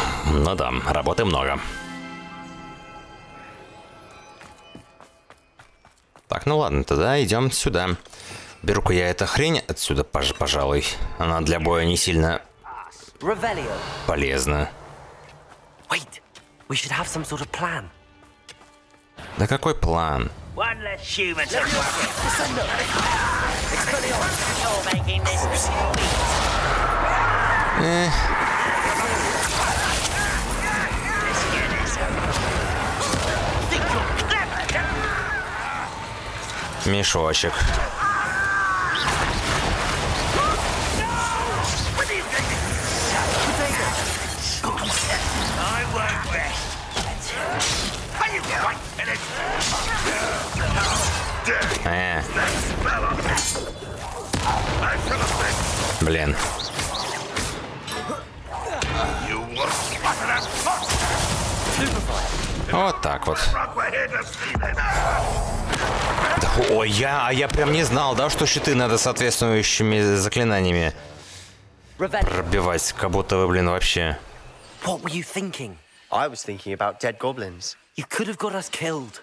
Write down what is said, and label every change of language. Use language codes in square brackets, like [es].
[ru] Ну да, работы много. Так, ну ладно, тогда идем сюда. Беру-ка я эту хрень отсюда, пожалуй. Она для боя не сильно полезна. [en] Wait, we should have some sort of plan. [ru] Да какой план? Мешочек. Блин. Вот так вот. Ой, я прям не знал, да, что щиты надо соответствующими заклинаниями пробивать, как будто вы, блин, вообще. [en] What were you thinking? I was thinking about dead goblins. You could have got us killed.